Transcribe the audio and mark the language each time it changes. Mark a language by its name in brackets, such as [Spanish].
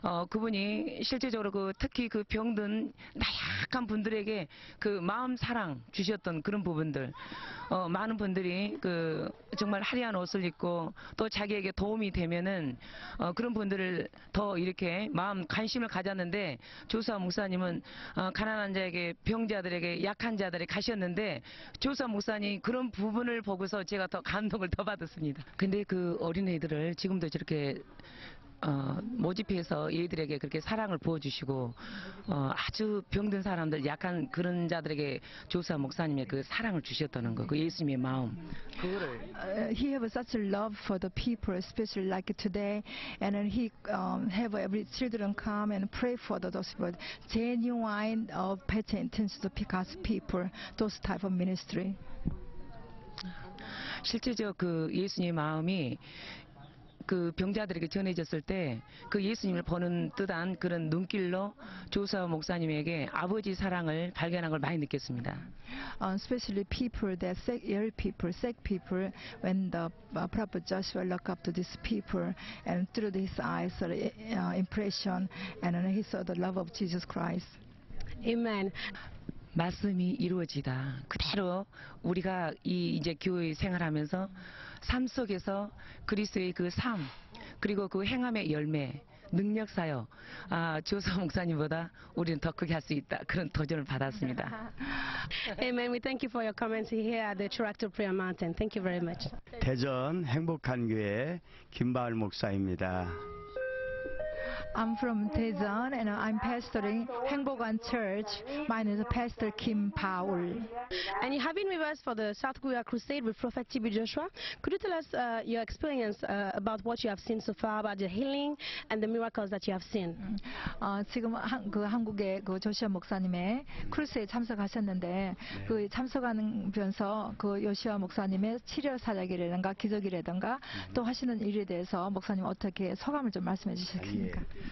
[Korean] 그분이 실제적으로 그 특히 그 병든 나약한 분들에게 그 마음 사랑 주셨던 그런 부분들 많은 분들이 그 정말 화려한 옷을 입고 또 자기에게 도움이 되면은 그런 분들을 더 이렇게 마음 관심을 가졌는데 조수아 목사님은 가난한 자에게 병자들에게 약한 자들에게 가셨는데 조수아 목사님 그런 부분을 보고서 제가 더 감동을 더 받았습니다. 근데 그 어린애들을 지금도 저렇게 모집해서 얘들에게 그렇게 사랑을 부어주시고 아주 병든 사람들 약한 그런 자들에게 조수아 목사님의 그 사랑을 주셨다는 거 그 예수님의 마음 그거를 [English] He have such a love for the people especially like today and then he have every children come and pray for those but genuine of better intention to pick up people those type of ministry [Korean] 실제적 그 예수님의 마음이 그 병자들에게 전해졌을 때 그 예수님을 보는 듯한 그런 눈길로 조수아 목사님에게 아버지 사랑을 발견한 걸 많이 느꼈습니다. [English] Especially people that sick, ill people, sick people, when the prophet Joshua looked up to these people and through his eyes, impression, and he saw the love of Jesus Christ. Amen. [Korean] 말씀이 이루어지다. 그대로 우리가 이제 교회 생활하면서 삶 속에서 그리스도의 그 삶, 그리고 그 행함의 열매, 능력 사여 조수아 목사님보다 우리는 더 크게 할 수 있다. 그런 도전을 받았습니다. Amen. [English] We thank you for your comments here at the Tractor Prayer Mountain. Thank you very much. [Korean] 대전 행복한 교회 김바울 목사입니다. [English] I'm from Daejeon and I'm pastoring Haenggokgan Church. My name is Pastor Kim Paul. And you have been with us for the South Korea Crusade with Prophet T.B. Joshua. Could you tell us your experience about what you have seen so far, about the healing and the miracles that you have seen? [Korean] 지금 그 한국의 그 조시아 목사님의 크루세이 참석하셨는데 그 참석하면서 그 조시아 목사님의 치료 사역이라든가 기적이라든가 또 하시는 일에 대해서 목사님 어떻게 소감을 좀 말씀해 주시겠습니까?